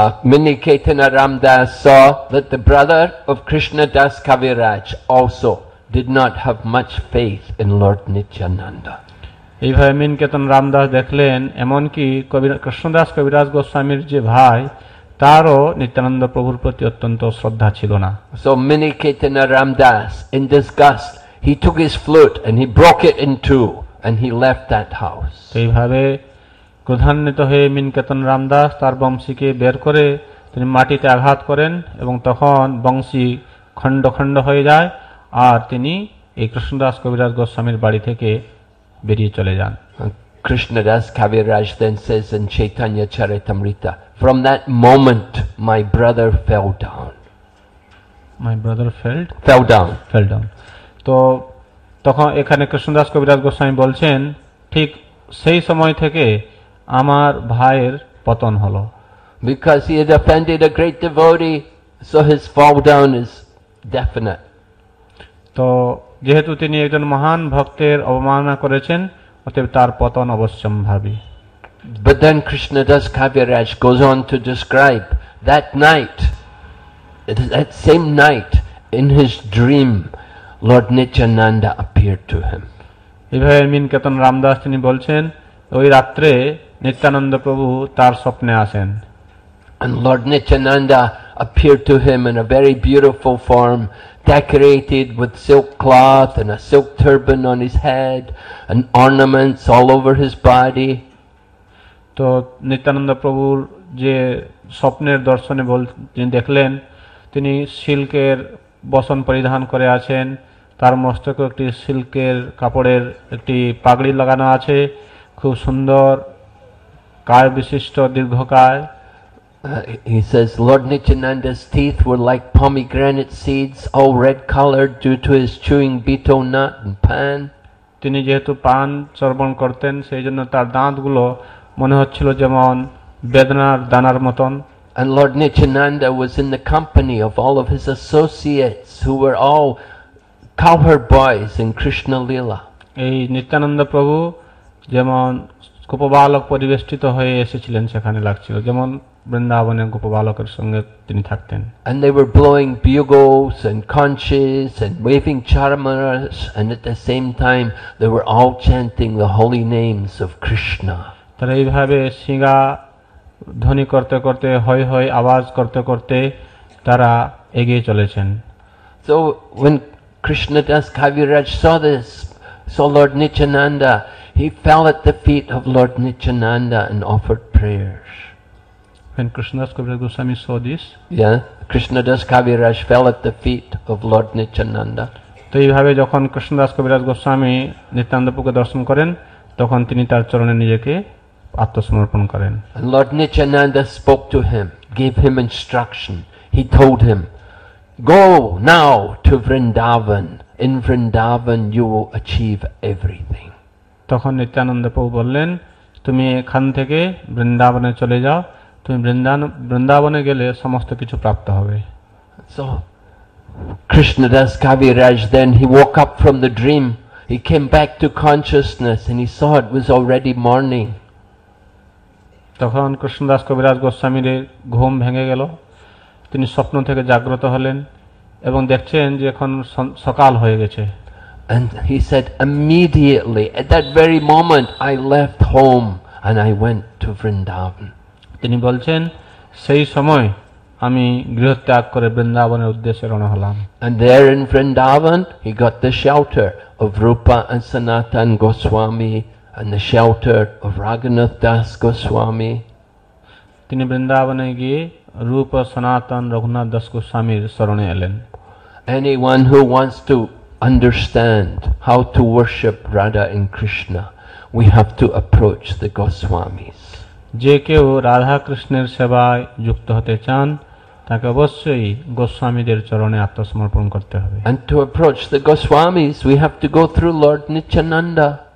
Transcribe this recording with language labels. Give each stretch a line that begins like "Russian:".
English: Miniketana Ramdas saw that the brother of Krishnadas Kaviraj also did not have much faith in Lord Nityananda.
Bangla: এইভাবে মিনকেতন রামদাস দেখলেন এমনকি কৃষ্ণদাস কবিরাজ গোস্বামীর যে ভাই তারও নিত্যানন্দ প্রভুর প্রতি অত্যন্ত শ্রদ্ধা ছিল না।
English: So Miniketana Ramdas, in disgust, he took his flute and he broke it in two and he left that house.
Bangla: এইভাবে ক্রোধান্বিত হয়ে মিনকেতন রামদাস তার বংশীকে বের করে তিনি মাটিতে আঘাত করেন এবং তখন বংশী খণ্ড খণ্ড হয়ে যায় আর তিনি এই কৃষ্ণদাস কবিরাজ গোস্বামীর বাড়ি থেকে বেরিয়ে চলে যান।
English: Krishnadas Kaviraj then says in Chaitanya Charitamrita, from that moment my brother fell down. My brother felt? Fell down. Fell down.
Bangla: So, তখন এখানে কৃষ্ণদাস কবিরাজ গোস্বামী বলছেন ঠিক সেই সময় থেকে আমার ভাইয়ের পতন হলো।
English: Because he had offended a great devotee, so his fall down is definite.
Bangla: তো যেহেতু তিনি একজন মহান ভক্তের অবমাননা করেছেন অতএব তার পতন অবশ্যম্ভাবী।
English: But then Krishnadas Kaviraj goes on to describe that night, that same night in his dream, Lord Nityananda appeared to him.
Bangla: এভাবে মিনকেতন রামদাস তিনি বলছেন ওই রাত্রে নিত্যানন্দ প্রভু তার স্বপ্নে আসেন।
English: And Lord Nityananda appeared to him in a very beautiful form, decorated with silk cloth and a silk turban on his head and ornaments all over his body.
Bangla: তো নিত্যানন্দ প্রভুর যে স্বপ্নের দর্শনে বলতে দেখলেন তিনি সিল্কের বসন পরিধান করে আছেন, তার মস্তকে একটি সিল্কের কাপড়ের একটি পাগড়ি লাগানো আছে, খুব সুন্দর কায় বিশিষ্ট দীর্ঘকায়।
English: He says, Lord Nityananda's teeth were like pomegranate seeds, all red-colored due to his chewing betel nut and pan.
Bangla: তিনি যেহেতু পান চর্বণ করতেন সেই জন্য তার দাঁতগুলো মনে হচ্ছিল যেমন বেদনার দানার মতন।
English: And Lord Nityananda was in the company of all of his associates who were all cowherd boys in Krishna Leela.
Bangla: এই নিত্যানন্দ প্রভু যেমন গোপবালক পরিবেষ্টিত হয়ে এসেছিলেন সেখানে লাগছিল যেমন বৃন্দাবনে গোপবালকের সঙ্গে তিনি থাকতেন।
English: And they were blowing bugles and conches and waving charmas and at the same time they were all chanting the holy names of Krishna.
Bangla: তারা এইভাবে সিঙ্গা ধ্বনি করতে করতে হয় হয় আওয়াজ করতে করতে তারা এগিয়ে চলেছেন।
English: So when Krishnadas Kaviraj saw this, saw Lord Nityananda, he fell at the feet of Lord Nityananda and offered prayers. When Krishnadas Kaviraj Goswami saw this, yeah, Krishnadas Kaviraj fell at the feet of Lord Nityananda.
Bangla: তো এইভাবে যখন কৃষ্ণদাস কবিরাজ গোস্বামী নিত্যানন্দ প্রভুকে দর্শন করেন তখন তিনি তার চরণে নিজেকে আত্মসমর্পণ করেন।
English: And Lord Nityananda spoke to him, gave him instruction. He told him, go now to Vrindavan. In Vrindavan you will achieve everything.
Bangla: তখন নিত্যানন্দ প্রভু বললেন তুমি এখান থেকে বৃন্দাবনে চলে যাও, তুমি বৃন্দাবনে গেলে সমস্ত কিছু প্রাপ্ত হবে।
English: So Krishnadas Kaviraj then he woke up from the dream. He came back to consciousness and he saw it was already morning.
Bangla: তখন কৃষ্ণদাস কবিরাজ গোস্বামীর ঘুম ভেঙে গেল, তিনি স্বপ্ন থেকে জাগ্রত হলেন এবং দেখছেন যে এখন সকাল হয়ে গেছে।
English: And he said, immediately, at that very moment, I left home and I went to Vrindavan.
Bangla: তিনি বলছেন, সেই সময় আমি গৃহ ত্যাগ করে বৃন্দাবনের উদ্দেশ্যে রওনা হলাম।
English: And there in Vrindavan, he got the shelter of Rupa and Sanatan Goswami and the shelter of Raghunath Das Goswami.
Bangla: তিনি বৃন্দাবনে গিয়ে রূপ সনাতন রঘুনাথ দাস গোস্বামীর শরণে এলেন।
English: Anyone who wants to understand how to worship Radha and Krishna, we have to approach the Goswamis.
Bangla: যে কেউ রাধা কৃষ্ণের সেবায় যুক্ত হতে চান তাকে অবশ্যই গোস্বামীদের চরণে আত্মসমর্পণ করতে হবে।
English: And to approach the Goswamis, we have to go through Lord Nityananda.